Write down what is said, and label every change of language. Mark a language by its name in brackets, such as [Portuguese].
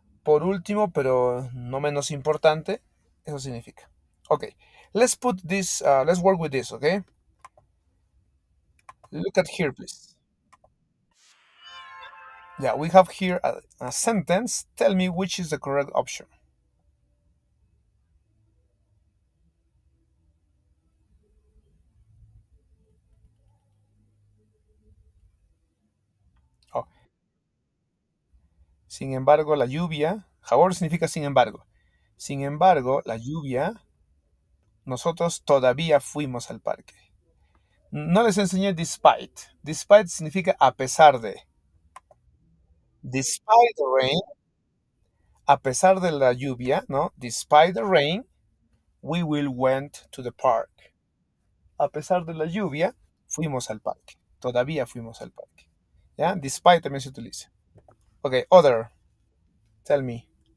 [Spanish] Por último, pero no menos importante, eso significa. [English] Okay, let's put this, let's work with this, okay? Look at here, please. Yeah, we have here a sentence. Tell me which is the correct option. [Spanish] Sin embargo, la lluvia, however significa sin embargo. Sin embargo, la lluvia, nosotros todavía fuimos al parque. No les enseñé despite. Despite significa a pesar de. [English] Despite the rain, [Spanish] a pesar de la lluvia, ¿no? [English] Despite the rain, we will went to the park. [Spanish] A pesar de la lluvia, fuimos al parque. Todavía fuimos al parque. ¿Ya? Despite también se utiliza. [English] Okay, other. Tell me.